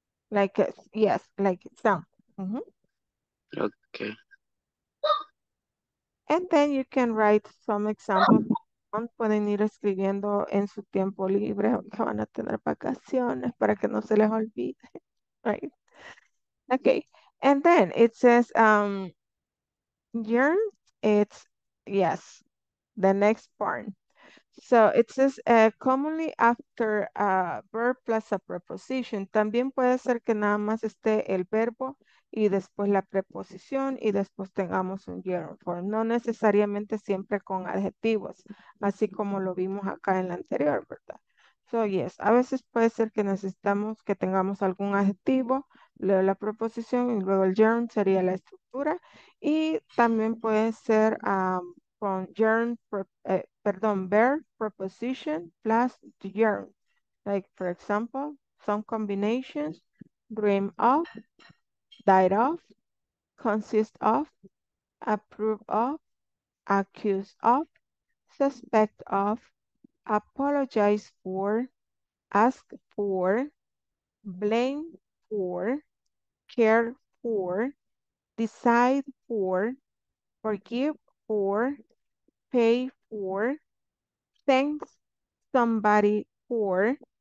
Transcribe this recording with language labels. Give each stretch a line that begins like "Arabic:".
English: Like, yes, like it's done. Mm-hmm. Okay. Okay. And then you can write some examples.
Spanish: Pueden ir escribiendo en su tiempo libre, que van a tener vacaciones para que no se les olvide.
English: Right. Okay. And then it says, gerund, it's, yes, the next part. So it says, commonly after a verb plus a preposition.
Spanish: También puede ser que nada más esté el verbo y después la preposición y después tengamos un gerund form. No necesariamente siempre con adjetivos, así como lo vimos acá en la anterior, ¿verdad? So yes, a veces puede ser que necesitamos que tengamos algún adjetivo, luego la preposición y luego el gerund sería la estructura. Y también puede ser con
English: gerund, perdón, verb, preposition, plus gerund. Like, for example, some combinations, dream of, died of, consist of, approve of, accuse of, suspect of, apologize for, ask for, blame for, care for, decide for, forgive for, pay for, thank somebody for,